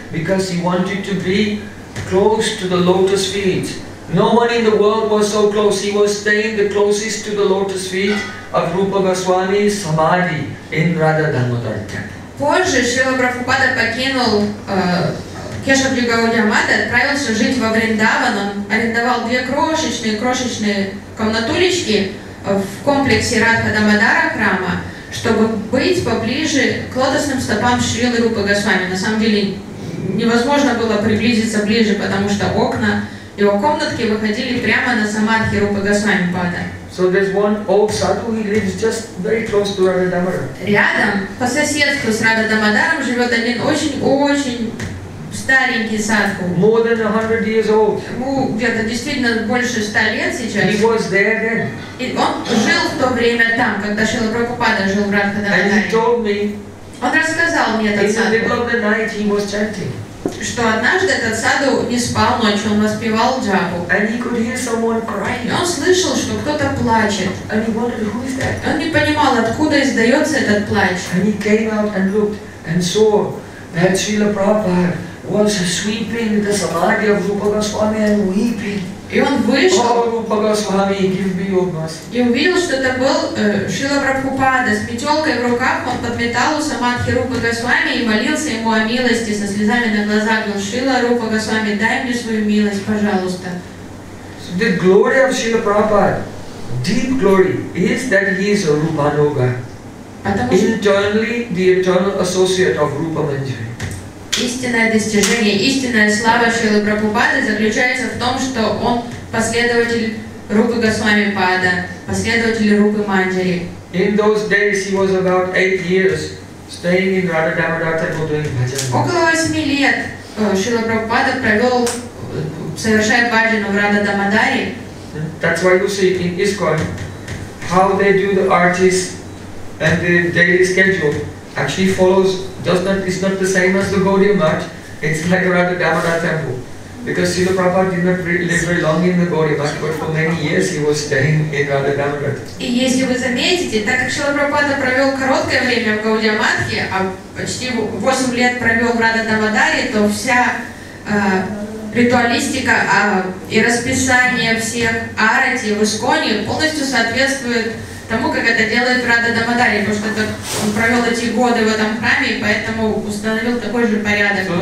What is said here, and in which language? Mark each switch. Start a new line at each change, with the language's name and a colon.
English: Because he wanted to be close to the lotus feet. No one in the world was so close. He was staying the closest to the lotus feet of Rupa Goswami's Samadhi in Radha Damodar temple.
Russian: Позже Шрила Прабхупада покинул Кешавджи Гауди Матхе, отправился жить во Вриндаван. Он арендовал две крошечные комнатулечки в комплексе Радха Дамодара храма, чтобы быть поближе к лотосным стопам Шрилы Рупы Госвами. На самом деле невозможно было приблизиться ближе, потому что окна его комнатки выходили прямо на самадхи Рупы Госвами Пада.
English: So there's one old sadhu, he lives just very close to Radha Damodara.
Russian: Рядом, по соседству с Радха Дамодаром, живет один очень-очень старенький садху.
English: More than 100 years old.
Russian: Ему где-то действительно больше 100 лет сейчас.
English: He was there then.
Russian: И он жил в то время там, когда Шрила Прабхупада жил в Радхадхаре.
English: And he told me.
Russian: Он рассказал мне этот садху.
English: In the middle of the night he was chanting.
Russian: Что однажды этот садху не спал ночью, он воспевал джапу.
English: And he could hear someone crying.
Russian: И он слышал, что кто-то плачет.
English: And he wondered who is that.
Russian: Он не понимал, откуда издается этот плач.
English: And he came out and looked and saw that Srila Prabhupada was sweeping the samadhi of Rupa Goswami and weeping.
Russian: И он вышел.
English: Oh, Rupa Goswami, give me your mercy.
Russian: И увидел, что это был Шрила Прабхупада с метелкой в руках. Он подметал у самадхи Рупа Госвами и молился ему о милости со слезами на глазах. Говорил: Шрила Рупа Госвами, дай мне свою милость, пожалуйста.
English: So the glory of Srila Prabhupada, deep glory, is that he is a Rupa Noga. Internally, the eternal associate of Rupa Manjari.
Russian: Истинное достижение, истинная слава Шрилы Прабхупады заключается в том, что он последователь Рупы Госвами Пада, последователь Рупы Манджари.
English: In those days he was about 8 years staying in Radha-Damodara doing bhajan.
Russian: Около 8 лет Шрила Прабхупада провел, совершая бхаджану в Радха-Дамодаре.
English: That's why you see in ISKCON how they do the artists and the daily schedule. Actually follows does not is not the same as the Gaudiya Math. It's like around the Damodar temple, because Srila Prabhupada did not live very long in the Gaudiya Math, but for many years he was staying in Radha Damodar.
Russian: И если вы заметите, так как Шрила Прабхупада провел короткое время в Гаудия Матхе, а почти 8 лет провел в Радха Дамодаре, то вся ритуалистика и расписание всех арати в Исконе полностью соответствует тому, как это делает Радха Дамодаре, потому что это, он провел эти годы в этом храме, и поэтому установил такой же порядок.